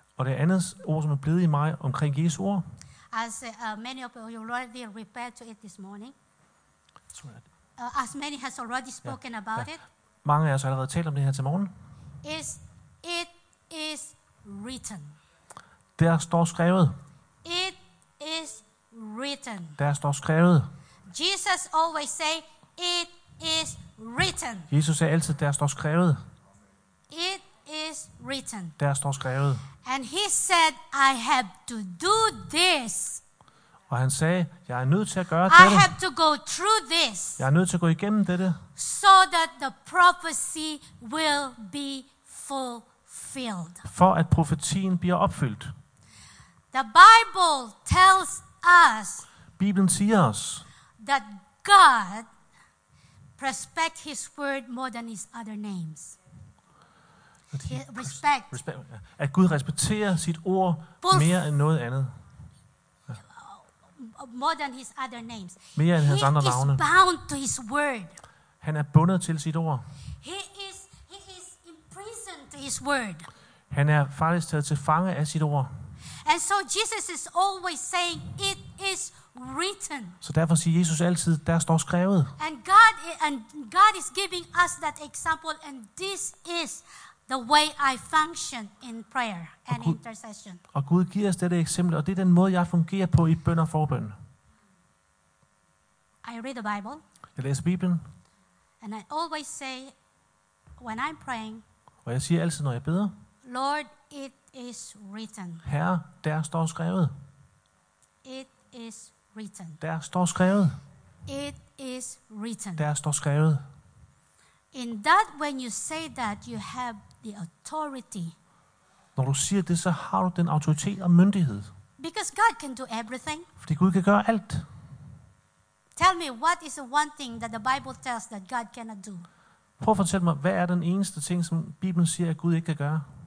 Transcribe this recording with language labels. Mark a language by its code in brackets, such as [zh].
[da] Og det andet ord, som er blevet i mig omkring Jesu ord. [en] As many of you already referred to it this morning. As many has already spoken about it. [da] Mange af os har allerede talt om det her til morgen. [en] Is it is written. [da] Der står skrevet. [en] It is written. [da] Der står skrevet. [en] Jesus always say it is written. [da] Jesus sagde altid, der står skrevet. [en] It is written. [da] Der står skrevet. [en] And he said, I have to do this. [da] Og han sagde, jeg er nødt til at gøre I dette. [en] I have to go through this. [da] Jeg er nødt til at gå igennem dette. [en] So that the prophecy will be fulfilled. [da] For at profetien bliver opfyldt. [en] The Bible tells us. [da] Bibelen siger os. [en] That God respect his word more than his other names. [da] Respekt. At Gud respekterer sit ord mere end noget andet. [en] More than his other names. [da] Mere end hans andre navne. [en] He is bound to his word. [da] Han er bundet til sit ord. [en] He is imprisoned to his word. [da] Han er faktisk taget til fange af sit ord. [en] And so Jesus is always saying it is written. [da] Så derfor siger Jesus altid, der står skrevet. [en] And God is giving us that example, and this is the way I function in prayer and intercession. [da] Og Gud giver os dette eksempel, og det er den måde jeg fungerer på i bøn og forbøn. [en] I read the Bible. [da] Jeg læser Bibelen. [en] And I always say when I'm praying. [da] Og jeg siger altid når jeg beder. [en] Lord, it is written. [da] Herre, der står skrevet. [en] It is written. [da] Der står skrevet. [en] It is written. [da] Der står skrevet. [en] In that, when you say that, you have the authority. [da] Når du siger det, så har du den autoritet og myndighed. [en] Because God can do everything. [da] Fordi Gud kan gøre alt. [en] Tell me, what is the one thing that the Bible tells that God cannot do? [da] Prøv at fortælle mig, hvad er den eneste ting, som Bibelen siger, at Gud ikke kan gøre?